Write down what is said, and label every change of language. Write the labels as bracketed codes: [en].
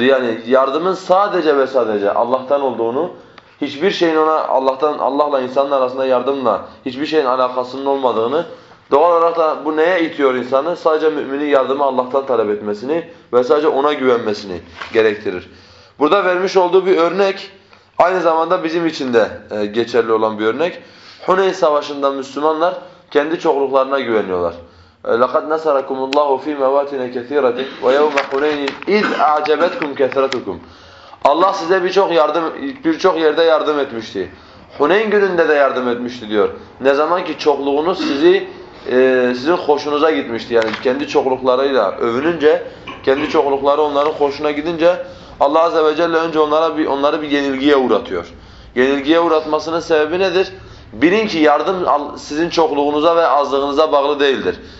[tr] Yani yardımın sadece ve sadece Allah'tan olduğunu, hiçbir şeyin ona Allah'tan, Allah'la insanın arasında yardımla hiçbir şeyin alakasının olmadığını, doğal olarak da bu neye itiyor insanı? Sadece müminin yardımı Allah'tan talep etmesini ve sadece ona güvenmesini gerektirir. Burada vermiş olduğu bir örnek, aynı zamanda bizim için de geçerli olan bir örnek. Huneyn Savaşı'nda Müslümanlar kendi çokluklarına güveniyorlar. [ar] لَقَدْ نَسَرَكُمُ اللّٰهُ ف۪ي مَوَاتِنَ كَثِيرَةٍ وَيَوْمَ حُنَيْنِ اِذْ اَعْجَبَتْكُمْ كَثِرَتُكُمْ [tr] Allah size birçok yardım, birçok yerde yardım etmişti. Huneyn gününde de yardım etmişti diyor. Ne zaman ki çokluğunuz sizi, sizin hoşunuza gitmişti. Yani kendi çokluklarıyla övününce, kendi çoklukları onların hoşuna gidince Allah Azze ve Celle önce onları bir yenilgiye uğratıyor. Yenilgiye uğratmasının sebebi nedir? Bilin ki yardım sizin çokluğunuza ve azlığınıza bağlı değildir.